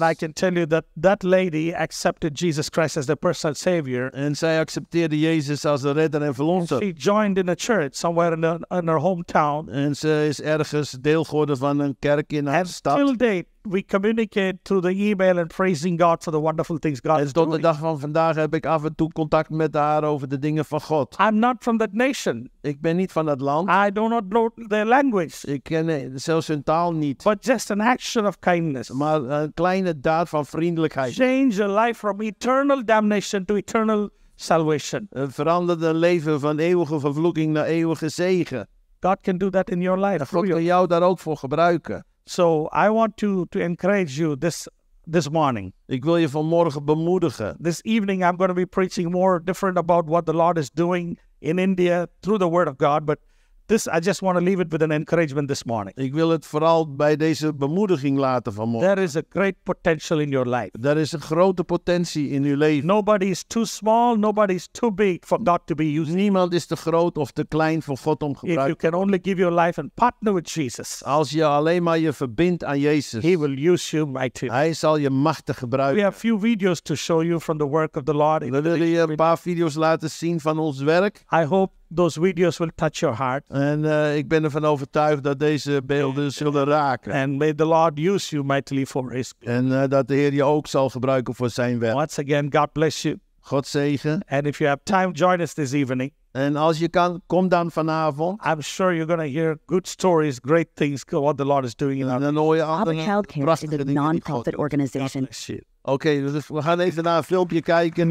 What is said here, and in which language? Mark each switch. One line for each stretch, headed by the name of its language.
English: And I can tell you that lady accepted Jesus Christ as the personal Savior.
Dutch: En zij accepteerde Jezus als de redder en verlosser.
English: She joined in a church somewhere in her hometown.
Dutch: En ze is ergens deel geworden van een kerk in haar stad.
English: Till date, we communicate through the email and praising God for the wonderful things God is doing.
Dutch: En tot de dag van vandaag heb ik af en toe contact met haar over de dingen van God.
English: I'm not from that nation.
Dutch: Ik ben niet van dat land.
English: I do not know their language.
Dutch: Ik ken zelfs hun taal niet.
English: But just an action of kindness.
Dutch: Maar een kleine daad van vriendelijkheid.
English: Change a life from eternal damnation to eternal salvation.
Dutch: Veranderde een leven van eeuwige vervloeking naar eeuwige zegen.
English: God can do that in your life.
Dutch: God kan jou daar ook voor gebruiken.
English: So I want to encourage you this morning.
Dutch: Ik wil je vanmorgen bemoedigen.
English: This evening I'm going to be preaching more different about what the Lord is doing in India through the Word of God. But Dus I just want to leave it with an encouragement this morning.
Dutch: Ik wil het vooral bij deze bemoediging laten vanmorgen.
English: There is a great potential in your life.
Dutch: Er is een grote potentie in uw leven.
English: Nobody is too small, nobody is too big for God to be used.
Dutch: Niemand is te groot of te klein voor God om gebruikt.
English: If you can only give your life and partner with Jesus.
Dutch: Als je alleen maar je verbindt aan Jezus.
English: He will use you mightily.
Dutch: Hij zal je machtig gebruiken.
English: We have few videos to show you from the work of the Lord.
Dutch: We willen je een paar video's laten zien van ons werk.
English: I hope those videos will touch your heart.
Dutch: En ik ben ervan overtuigd dat deze beelden zullen raken.
English: And may the Lord use you mightily for His.
Dutch: En dat de Heer je ook zal gebruiken voor zijn werk.
English: Once again, God bless you.
Dutch: God zegen.
English: And if you have time, join us this evening.
Dutch: En als je kan, kom dan vanavond.
English: I'm sure you're going to hear good stories, great things, what the Lord is doing in our.
Dutch: Dan hoor je andere prachtige dingen.
English: Abba Healthcare is a non-profit organization.
Dutch: Oké, dus we gaan even naar een filmpje kijken.